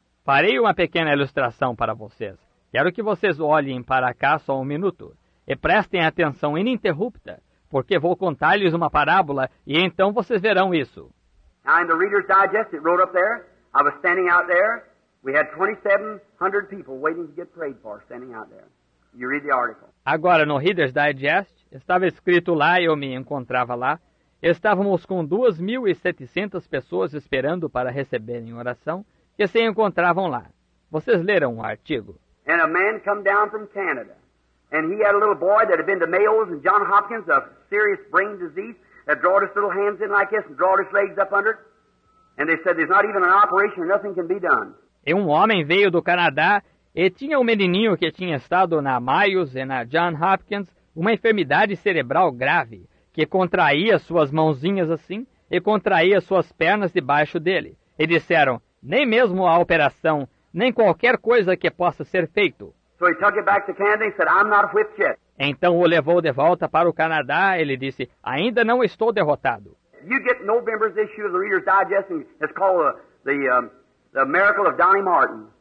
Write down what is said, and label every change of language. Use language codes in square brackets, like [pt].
[pt] Farei uma pequena ilustração para vocês. Quero que vocês olhem para cá só um minuto e prestem atenção ininterrupta, porque vou contar-lhes uma parábola e então vocês verão isso. [en] Now in the Reader's Digest, it wrote up there, I was standing out there, we had 2,700 people waiting to get prayed for, standing out there. You read the article. [pt] Agora, no Reader's Digest, estava escrito lá, eu me encontrava lá, estávamos com 2,700 pessoas esperando para receberem oração, que se encontravam lá. Vocês leram o artigo. [en] And a man come down from Canada, and he had a little boy that had been to Mayo's and John Hopkins, a serious brain disease, that drawed his little hands in like this and drawed his legs up under it. And they said, there's not even an operation, nothing can be done. [pt] E um homem veio do Canadá e tinha um menininho que tinha estado na Mayo's e na John Hopkins, uma enfermidade cerebral grave, que contraía suas mãozinhas assim e contraía suas pernas debaixo dele. E disseram, nem mesmo a operação, nem qualquer coisa que possa ser feito. [en] So he took it back to Canada and said, I'm not whipped yet. [pt] Então o levou de volta para o Canadá, ele disse, ainda não estou derrotado. [en] You get November's issue of the Reader's Digest, it's called the Miracle of Donnie Martin.